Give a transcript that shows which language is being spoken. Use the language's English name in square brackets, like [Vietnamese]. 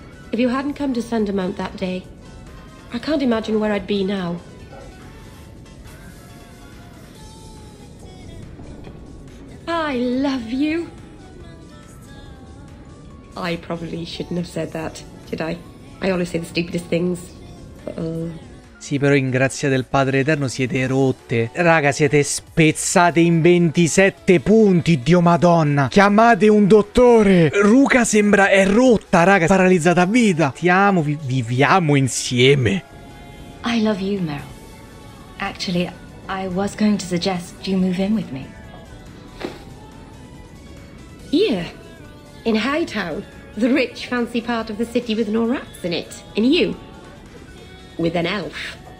[English] If you hadn't come to Thundermount that day, I can't imagine where I'd be now. I love you. I probably shouldn't have said that, did I? I always say the stupidest things. [Italian] Sì, però in grazia del Padre Eterno siete rotte. Raga, siete spezzate in 27 punti, Dio Madonna. Chiamate un dottore. Ruka sembra è rotta, raga, paralizzata a vita. Ti amo, viviamo insieme. [English] I love you, Meryl. Actually, I was going to suggest you move in with me. Here, in Hightown, the rich, fancy part of the city with no rats in it. And you, with an elf.